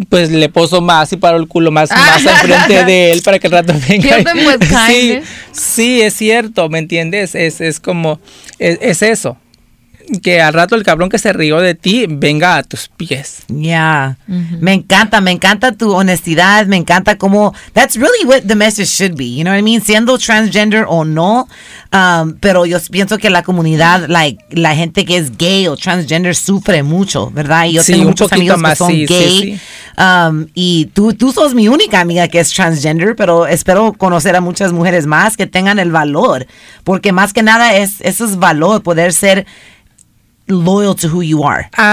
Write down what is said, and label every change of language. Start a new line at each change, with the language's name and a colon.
Spanish: Pues le poso más y paro el culo más enfrente de él para que el rato venga.
English: Give them with kindness.
Spanish: Sí, es cierto, ¿me entiendes? Es eso. Que al rato el cabrón que se rió de ti venga a tus pies. Ya. Yeah. Uh-huh. Me encanta tu honestidad, me encanta cómo.
English: That's really what the message should be, you know what I mean?
Spanish: Siendo transgender o no, pero yo pienso que la comunidad, like, la gente que es gay o transgender sufre mucho, ¿verdad? Y yo tengo muchos amigos más, que son gay. Sí. Y tú sos mi única amiga que es transgender, pero espero conocer a muchas mujeres más que tengan el valor, porque más que nada eso es valor, poder ser
English: loyal to who you are.